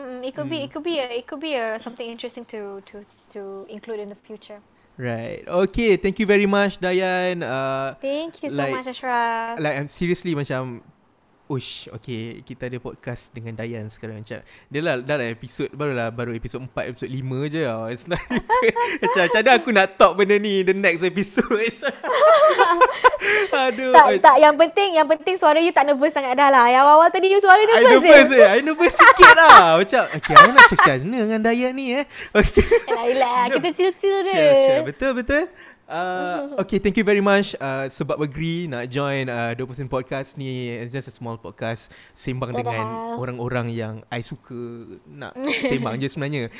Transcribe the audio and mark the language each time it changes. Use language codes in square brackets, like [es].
[en] It could be something interesting to include in the future. Right. Okay. Thank you very much, Dayan. Thank you so much, Ashraf. Like, I'm seriously macam, ush. Okay. [ms] Kita ada podcast dengan Dayan sekarang macam. Dia lah, dah lah episode, baru episode 4, episode 5 je. Oh. [en] It's not even, [ms] macam mana aku nak [en] talk [ms] benda ni [en] the next episode. [ms] Aduh. Tak. Yang penting suara you tak nervous sangat dah lah. Yang awal tadi you suara nervous. I nervous sikit lah. Macam, okay, I nak check macam mana dengan Dayan ni eh. Okay. Elah, no. Kita chill-chill dia. Betul. [en] Okay, thank you very much [ms] sebab [en] agree nak join 20% podcast ni. It's just a small podcast [ms] sembang dengan orang-orang yang I suka nak sembang je sebenarnya.